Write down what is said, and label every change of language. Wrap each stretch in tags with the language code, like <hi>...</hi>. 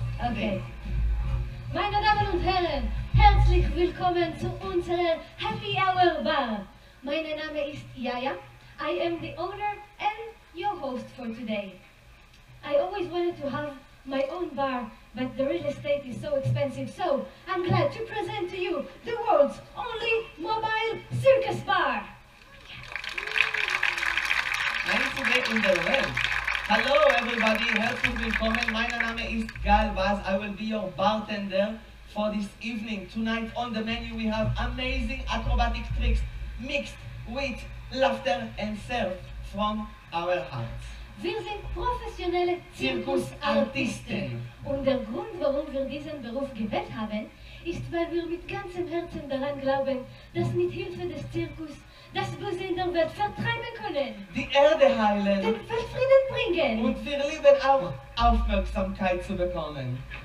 <de>Okay. Meine Damen und Herren, herzlich willkommen zu unserer Happy Hour Bar. Mein Name ist Jaja.</de> <en>I am the owner and your host for today. I always wanted to have my own bar, but the real estate is so expensive. So I'm glad to present to you the world's only mobile circus bar. And today in the world. Hello everybody,</en> <de>herzlich willkommen, mein Name ist</de> <en>Gal Bas, I will be your bartender for this evening. Tonight on the menu we have amazing acrobatic tricks mixed with laughter and surf from our hearts.</en> <de>Wir sind professionelle Zirkusartisten. Und der Grund, warum wir diesen Beruf gewählt haben, ist, weil wir mit ganzem Herzen daran glauben, dass mit Hilfe des Zirkus das Böse in der Welt vertreiben können. Die Erde heilen. Den Weltfrieden bringen. Und wir lieben auch, Aufmerksamkeit zu bekommen.</de>